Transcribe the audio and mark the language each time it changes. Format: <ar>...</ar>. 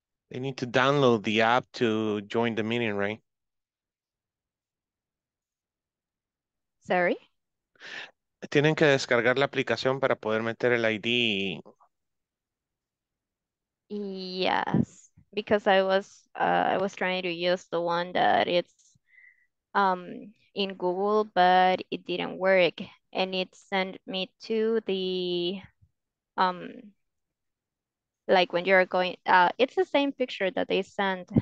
<en>They need to download the app to join the meeting, right? Sorry?</en> <es>Tienen que descargar la aplicación para poder meter el ID.</es> <en>Yes, because I was trying to use the one that it's in Google, but it didn't work, and it sent me to the like when you're going, it's the same picture that they sent.</en>